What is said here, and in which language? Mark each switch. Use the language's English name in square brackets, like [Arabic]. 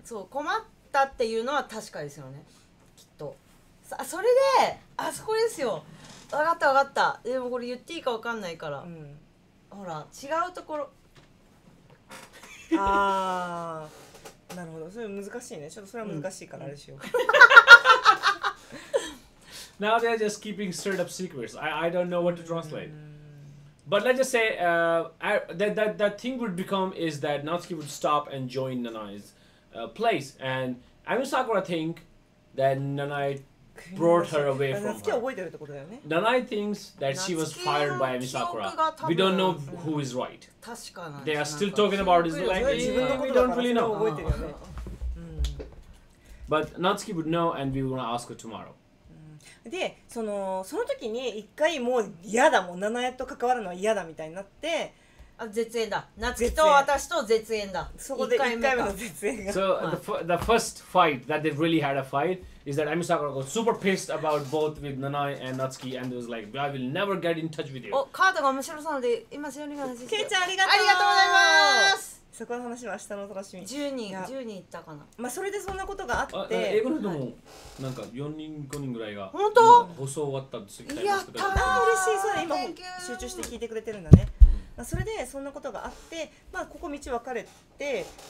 [Japanese] そう困ったっていうのは確かですよね、きっと それで、あそこですよ、わかったわかった、でもこれ言っていいかわかんないから、うん、ほら違うところ、あなるほど、それ難しいね、ちょっとそれは難しいからあれしよう、 [English] うん、Now they're just keeping straight up secrets. I don't know what to translate、うん、But let's just say that thing would become is that Natsuki would stop and join Nanai's place, and Ami Sakura think that Nanai brought her away from her. Nanai thinks that she was fired by Ami Sakura. We don't know who is right. They are still talking about this language. We don't really know. But Natsuki would know, and we will ask her tomorrow. [Japanese] でその時に一回もう嫌だ、もう七々と関わるのは嫌だみたいになって、あ絶縁だ、夏希と私と絶縁だ、そこで一回目の絶縁が、 [English] So the first fight that they really had a fight is that Ami Sakura got super pissed about both with Nanae and Natsuki and was like I will never get in touch with you. [Japanese] おカードが面白そうなので今しよりの話ケイちゃんありがとう、ありがとうございます、そこの話は明日の楽しみ、 10人いったかな、まあそれでそんなことがあって、英語の人もなんか4人5人ぐらいが本当舗装終わったって言ったら嬉しい、そうだ、今集中して聞いてくれてるんだね、まあ、それでそんなことがあって、まあここ道分かれて、